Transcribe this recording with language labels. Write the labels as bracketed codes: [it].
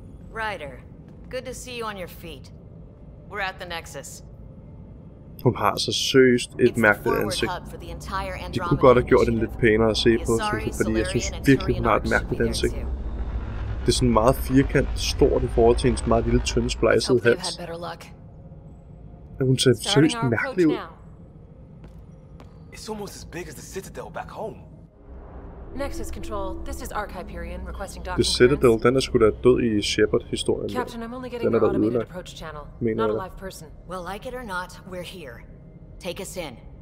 [en] Ryder, good to see you on your feet. We're at the Nexus. [da] Hun har så seriøst et mærkeligt ansigt. De kunne godt have gjort den lidt pænere at se på, fordi jeg synes virkelig, hun har et mærkeligt ansigt. Det er sådan meget firkant, stort i forhold til hendes meget lille, tynde, splicede hals. Men hun ser seriøst mærkelig ud. [en] It's almost as big as the Citadel back home. Nexus Control, this is Ark Hyperion requesting docking. [da] The Citadel, den er sgu da død i Shepard-historien. [en] Captain, I'm only getting an automated approach channel. Not a live person. Well, like it or not, we're here. Take us in.